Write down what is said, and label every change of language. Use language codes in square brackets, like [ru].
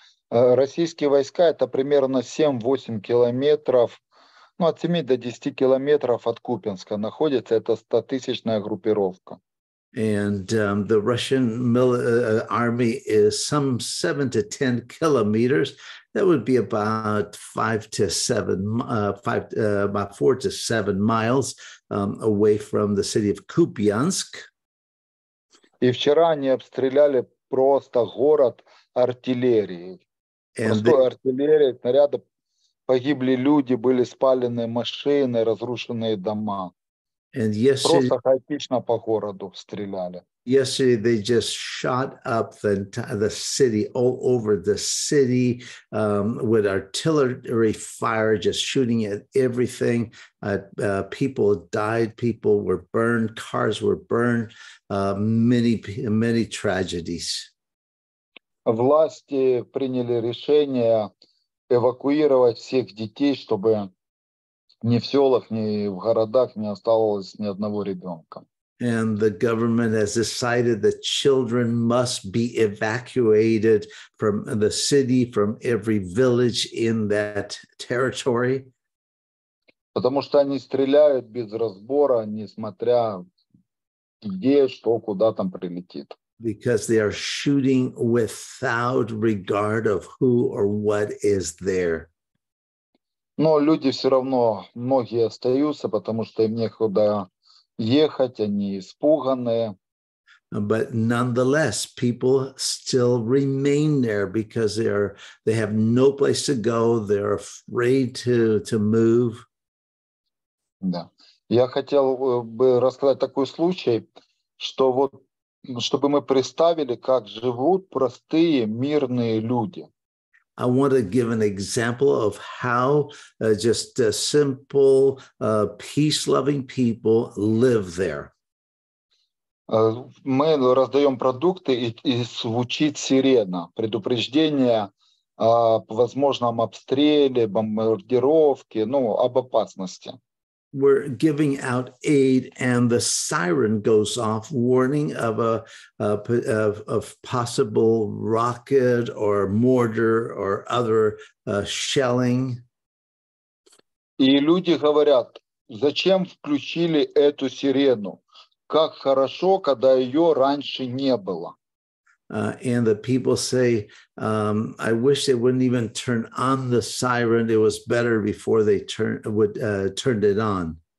[ru] Российские войска – это примерно 7-8 километров, ну, от 7 до 10 километров от Купинска находится эта 100-тысячная группировка. [en] And the Russian army is some 7 to 10 kilometers. That would be about 4 to 7 miles away from the city of Kupiansk. [ru] И вчера они обстреляли просто город артиллерией. Артиллерия, снаряды, погибли люди, были спалены машины, разрушенные дома. [en] And yesterday, [ru] просто хаотично по городу стреляли. [en] Yesterday they just shot up the city, all over the city, with artillery fire, just shooting at everything. People died, people were burned, cars were burned, many tragedies. [ru] Власти приняли решение эвакуировать всех детей, чтобы ни в селах, ни в городах не осталось ни одного ребенка. [en] And the government has decided that children must be evacuated from the city, from every village in that territory. [ru] Потому что они стреляют без разбора, несмотря где, что, куда там прилетит. [en] Because they are shooting without regard of who or what is there. [ru] Но люди все равно, многие остаются, потому что им некуда ехать, они испуганные. [en] But nonetheless, people still remain there because they have no place to go, they're afraid to move. [ru] Да. Я хотел бы рассказать такой случай, что вот чтобы мы представили, как живут простые мирные люди. [en] I want to give an example of how just simple, peace-loving people live there. [ru] Мы раздаем продукты, и звучит сирена, предупреждение о возможном обстреле, бомбардировке, ну, об опасности. [en] We're giving out aid, and the siren goes off, warning of a possible rocket or mortar or other shelling. [ru] И люди говорят, зачем включили эту сирену? Как хорошо, когда ее раньше не было. [en] And the people say, I wish they wouldn't even turn on the siren. It was better before they turned it on.